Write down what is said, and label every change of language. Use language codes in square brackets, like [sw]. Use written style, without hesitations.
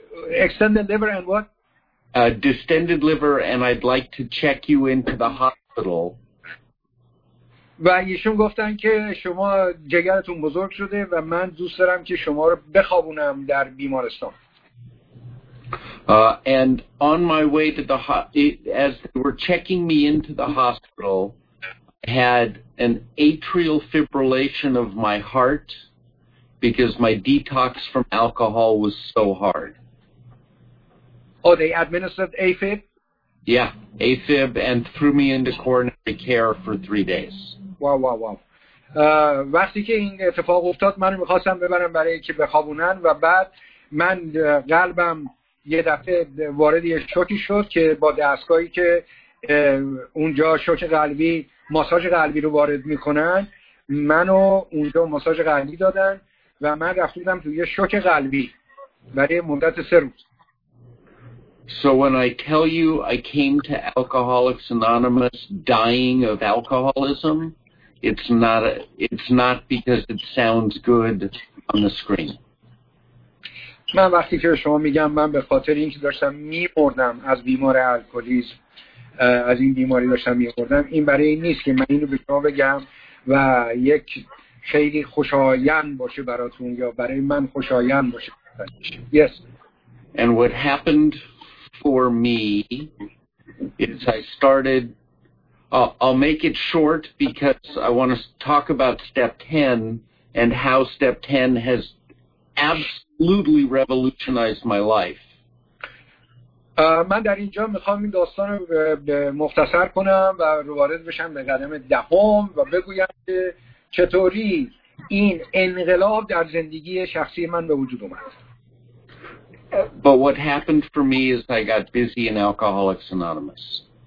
[en] Extended liver and what? A distended liver, and I'd like to check you into the hospital. [fa] و ایشون گفتن که شما جگرتون بزرگ شده و من دوست دارم که شما رو بخوابونم در بیمارستان. [en] And on my way to the as they were checking me into the hospital, I had an atrial fibrillation of my heart because my detox from alcohol was so hard. Oh, they administered AFib? Yeah, AFib, and threw me into coronary care for 3 days. Wow, wow, wow. [fa] وقتی که این اتفاق افتاد من میخواستم ببرم برای که بخوابونن و بعد من قلبم یه دفعه وارد یه شوکی شد که با دستگاهی که اونجا شوک قلبی ماساژ قلبی رو وارد میکنن منو اونجا ماساژ قلبی دادن و من رفتیدم توی یه شوک قلبی برای مدت 3 روز. [en] So when I tell you I came to Alcoholics Anonymous dying of alcoholism, it's not because it sounds good on the screen. [fa] من وقتی که شما میگم من به خاطر اینکه داشتم میمردم از بیماری الکلیز از این بیماری داشتم میمردم این برای این نیست که من اینو به شما بگم و یک خیلی خوشایند باشه براتون یا برای من خوشایند باشه [en] yes and what happened for me is I started I'll make it short because I want to talk about step 10 and how step 10 has absolutely revolutionized my life. [fa] من در اینجا میخوام این داستان رو مختصر کنم و وارد بشم به قدم دهم و بگویم که چطوری این انقلاب در زندگی شخصی من به وجود اومد. [en] But what happened for me is I got busy in Alcoholics Anonymous.